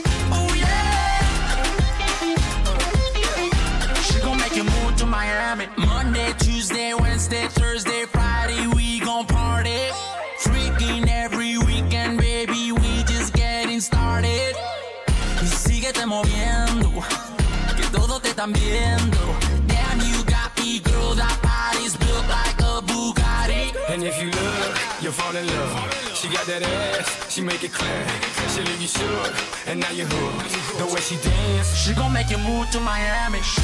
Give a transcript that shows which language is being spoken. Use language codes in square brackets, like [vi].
[en] Oh yeah. She gon' make you move to Miami. Monday, Tuesday, Wednesday, Thursday, Friday, we gon' party. Freaking every weekend, baby, we just getting started. [es] Y síguete moviendo, que todo te están viendo. [en] Damn, you got me, girl, that body's built like a Bugatti. And if you look, you fall in love. She got that ass, she make it clap. She leave you shook, and now you hooked. The way she dance, she gon' make you move to Miami.